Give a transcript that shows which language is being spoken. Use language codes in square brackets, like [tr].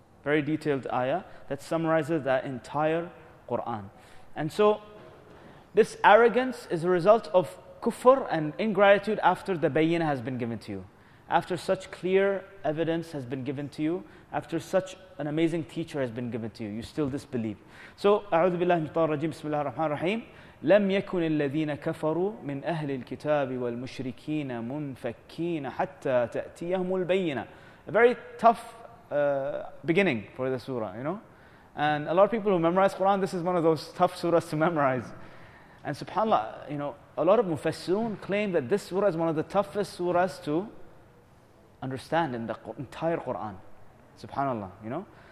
[en] Very detailed ayah that summarizes the entire Quran. And so, This arrogance is a result of kufr and ingratitude after the bayyinah has been given to you. After such clear evidence has been given to you, after such an amazing teacher has been given to you, you still disbelieve. [ar] So, أعوذ بالله من الشيطان الرجيم بسم الله الرحمن الرحيم لم يكن الذين كفروا من أهل الكتاب والمشركين منفكين حتى تأتيهم البينة. [en] A very tough beginning for the surah, you know. And a lot of people who memorize Quran, this is one of those tough surahs to memorize. And subhanAllah, you know, a lot of mufassirun claim that this surah is one of the toughest surahs to understand in the entire Quran. SubhanAllah, you know.